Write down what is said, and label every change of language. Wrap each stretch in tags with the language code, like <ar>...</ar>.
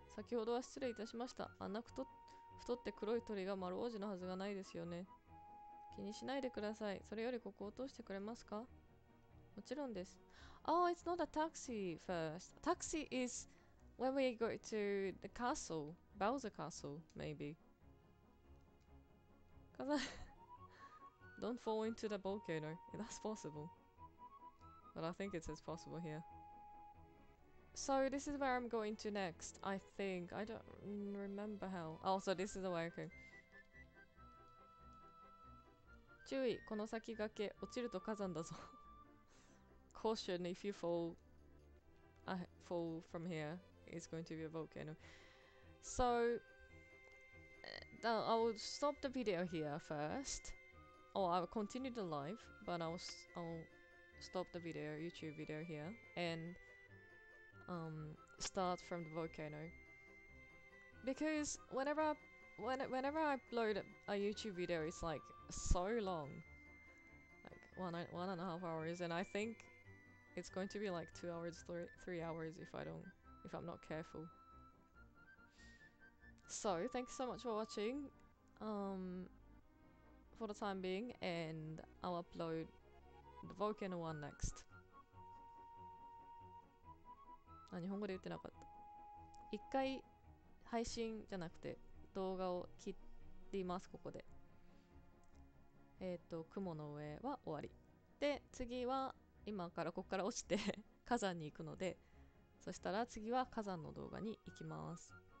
<ja>先ほどは失礼いたしました。あなくと太って黒い鳥が丸王子のはずがないですよね。気にしないでください。それよりここを通してくれますか？もちろんです。</ja> <en>Oh, it's not a taxi first. Taxi is when we go to the castle. Bowser castle, maybe. Because I don't fall into the volcano. That's possible. But I think it's as possible here. So this is where I'm going to next, I think. I don't remember how. Also, this is the way, okay. 注意、この先崖、落ちると火山だぞ。 Caution, if you fall from here, it's going to be a volcano. So, I will stop the video here first. Oh, I continued the live, but I'll stop the video, YouTube video here, and start from the volcano. Because whenever I upload a YouTube video, it's like so long, like 1.5 hours, and I think it's going to be like 2 hours, three hours if I'm not careful. So thanks so much for watching. For the time being, and I'll upload the volcano one next.</en> <ja>あ、日本語で言ってなかった。一回配信じゃなくて動画を切っています、ここで。雲の上は終わり。で、次は今からここから落ちて火山に行くので、そしたら次は火山の動画に行きます。</ja>